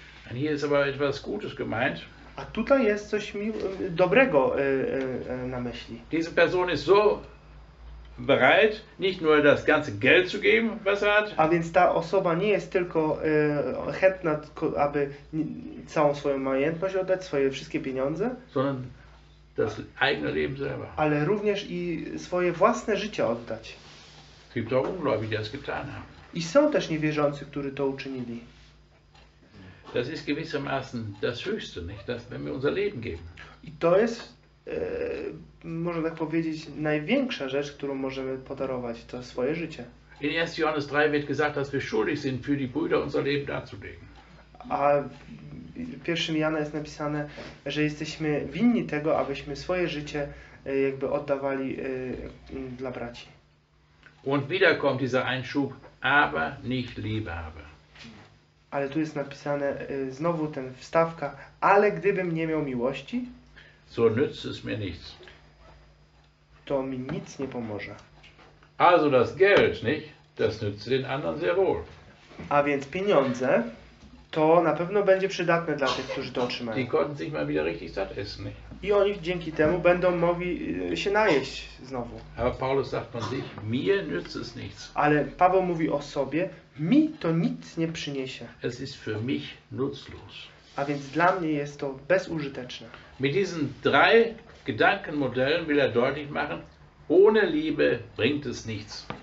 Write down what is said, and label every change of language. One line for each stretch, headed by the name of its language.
German: And hier ist aber etwas Gutes gemeint.
Polish: A tutaj jest coś dobrego na myśli.
German: Diese Person ist so bereit, nicht nur das ganze Geld zu geben, was er hat.
Polish: A więc ta osoba nie jest tylko chętna, aby całą swoją majątność oddać, swoje wszystkie pieniądze,
German: sondern das eigene Leben selber.
Polish: Ale również i swoje własne życie oddać.
German: Gibt auch Ungläubige, die das getan haben.
Polish: I są też niewierzący, którzy to uczynili.
German: Das ist gewissermaßen das Höchste, nicht? Das, wenn wir unser Leben geben.
Polish: I to jest można tak powiedzieć, największa rzecz, którą możemy podarować, to swoje życie.
German: In 1. Johannes 3 wird gesagt, dass wir schuldig sind, für die Brüder unser Leben darzulegen.
Polish: A w 1. Jana jest napisane, że jesteśmy winni tego, abyśmy swoje życie jakby oddawali dla braci.
German: Und wieder kommt dieser Einschub, aber nicht Liebe habe.
Polish: Ale tu jest napisane znowu ten wstawka, ale gdybym nie miał miłości,
German: so nützt es mir nichts.
Polish: To mi nic nie pomoże.
German: Also das Geld, nicht? Das nützt den anderen sehr wohl.
Polish: A więc pieniądze, to na pewno będzie przydatne dla tych, którzy to otrzymają.
German: Die konnten sich mal wieder richtig satt essen, nicht?
Polish: I oni dzięki temu będą mogli się najeść znowu.
German: Aber Paulus sagt von sich, mir nützt es nichts.
Polish: Ale Paweł mówi o sobie, mi to nic nie przyniesie.
German: Es ist für mich nutzlos.
Polish: A więc dla mnie jest to bezużyteczne.
German: Mit diesen drei Gedankenmodellen will er deutlich machen, ohne Liebe bringt es nichts.